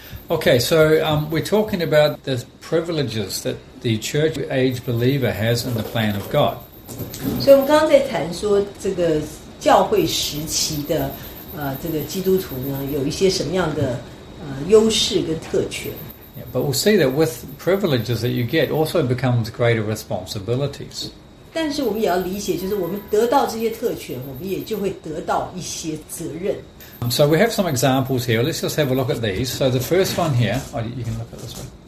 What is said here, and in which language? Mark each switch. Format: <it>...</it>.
<en>Okay, so we're talking about the privileges that the church age believer has in the plan of God.</en> <zh>So 我们刚刚在谈说这个教会时期的这个基督徒呢，有一些什么样的优势跟特权？</zh> <en>Yeah, but we'll see that with privileges that you get, also becomes greater responsibilities.</en> <zh>但是我们也要理解，就是我们得到这些特权，我们也就会得到一些责任。</zh> <en>So we have some examples here. Let's just have a look at these. So the first one here, you can look at this one.</en>